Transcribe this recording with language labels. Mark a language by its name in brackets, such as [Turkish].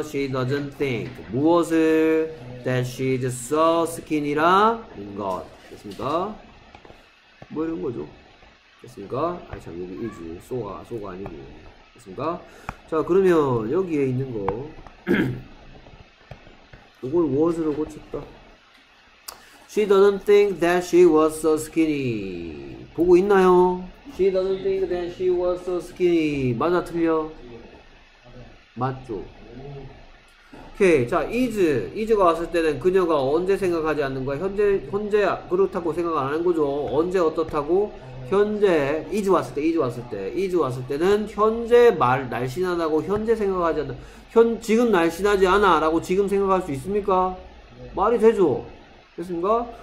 [English] She doesn't think [Korean] 무엇을 [English] that she is so skinny [Korean] 라는 것 됐습니까? 뭐 이런 거죠? 됐습니까? 아참 여기 is so가 아니고 됐습니까? 자 그러면 여기에 있는 거 이걸 무엇으로 고쳤다? [English] She doesn't think that she was so skinny. [Korean] 보고 있나요? [English] She doesn't think that she was so skinny. [Korean] 맞아, 틀려? 맞죠. 오케이. 자, is가 왔을 때는 그녀가 언제 생각하지 않는 거야? 현재 그렇다고 생각 안 하는 거죠. 언제 어떻다고? 현재 is 왔을 때는 현재 말 날씬하다고 현재 생각하지 않는 현 지금 날씬하지 않아라고 지금 생각할 수 있습니까? 말이 되죠. 됐습니까?